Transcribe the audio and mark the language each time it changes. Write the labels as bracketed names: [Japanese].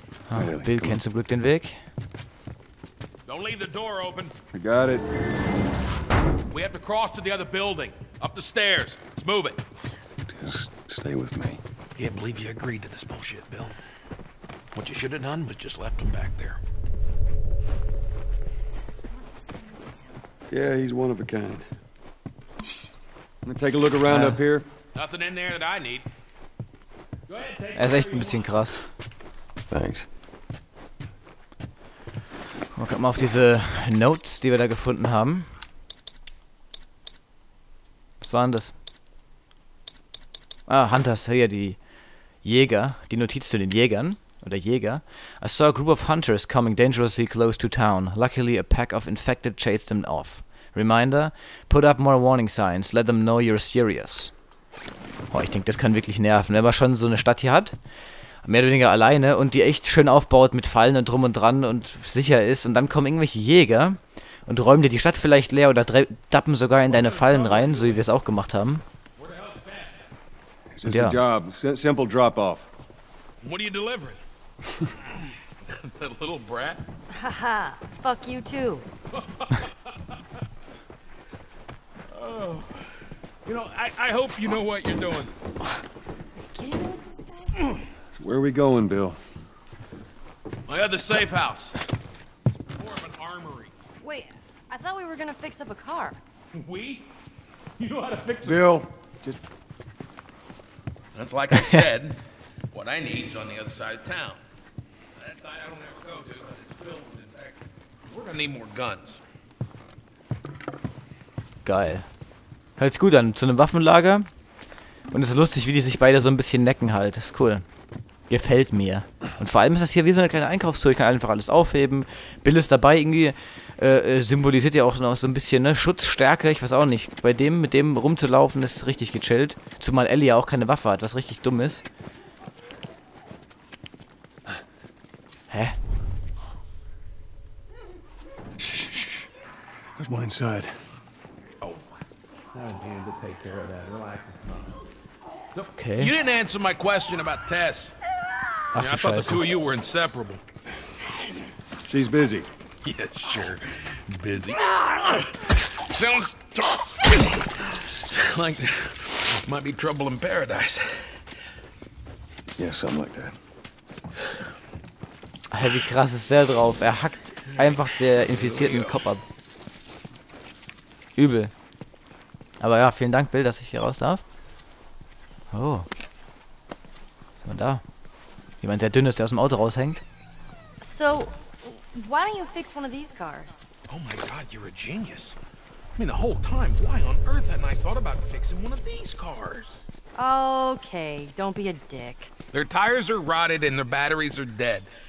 [German] Ah, Bill kennt zum Glück den Weg. [English] Don't leave the door open. We got it. We have to cross to the other building. Up the stairs. Let's move it. Just stay with me. Can't believe you agreed to this bullshit, Bill. What you should have done was just left him back there. Yeah, he's one of a kind. I'm gonna take a look around up here. Nothing in there that I need. Go ahead, take it. [German] Er ist echt ein bisschen krass. [English] Thanks. [German] Guck mal auf diese Notes, die wir da gefunden haben. Was waren das? Ah, Hunters. Hier, die Jäger. Die Notiz zu den Jägern. Oder Jäger. [English] I saw a group of hunters coming dangerously close to town. Luckily, a pack of infected chased them off. Reminder, put up more warning signs. Let them know you're serious. [German] Boah, ich denke, das kann wirklich nerven. Wenn man schon so eine Stadt hier hat, mehr oder weniger alleine, und die echt schön aufbaut mit Fallen und drum und dran und sicher ist, und dann kommen irgendwelche Jäger und räumen dir die Stadt vielleicht leer oder dappen sogar in deine Fallen rein, so wie wir es auch gemacht haben. Und ja. [English] Simple drop off. What are you delivering? That little brat? Haha, fuck you too. Oh, you know, I hope you know what you're doing. So where are we going, Bill? My other safe house. It's more of an armory. Wait, I thought we were gonna fix up a car. We? You know how to fix Bill, just... That's like I said, what I need is on the other side of town. That side I don't ever go to, but it's filled with infected. We're gonna need more guns. [German] Geil. Hört's gut an, zu einem Waffenlager. Und es ist lustig, wie die sich beide so ein bisschen necken halt. Ist cool. Gefällt mir. Und vor allem ist das hier wie so eine kleine Einkaufstour. Ich kann einfach alles aufheben. Bill ist dabei irgendwie. Symbolisiert ja auch noch so ein bisschen, ne? Schutzstärke, ich weiß auch nicht. Bei dem, mit dem rumzulaufen, ist richtig gechillt. Zumal Ellie ja auch keine Waffe hat, was richtig dumm ist. Hä? [English] There's one inside. Okay. You didn't answer my question about Tess. Ach, I thought the two of you were inseparable. She's busy. Yeah, sure. Busy. Sounds like might be trouble in paradise. Yeah, something like that. [German] Hey, wie krass ist der drauf? Er hackt einfach der Infizierten den Kopf ab. Übel. Aber ja, vielen Dank, Bill, dass ich hier raus darf. Oh. Was ist denn da? Jemand sehr dünnes, der aus dem Auto raushängt. [English] So, why don't you fix one of these cars? Oh my god, you're a genius. I mean, the whole time, why on earth hadn't I thought about fixing one of these cars? Okay, don't be a dick. Their tires are rotted and their batteries are dead.